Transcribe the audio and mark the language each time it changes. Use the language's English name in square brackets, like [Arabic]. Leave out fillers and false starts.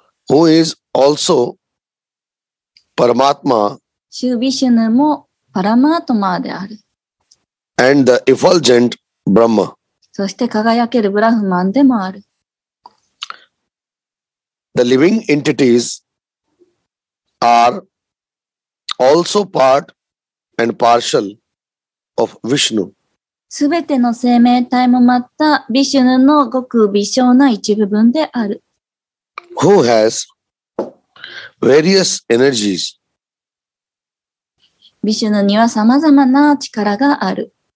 [English] Who is also Paramatma? [Japanese] 主ヴィシュヌもパラマートマーである。 [English] And the effulgent Brahma. [Japanese] そして輝けるブラフマンでもある。 [English] The living entities are also part and partial of Vishnu. [Japanese] すべての生命体もまた、ヴィシュヌのごく微小な一部分である。 [English] Who has various energies? [Japanese] ヴィシュヌにはさまざまな力がある。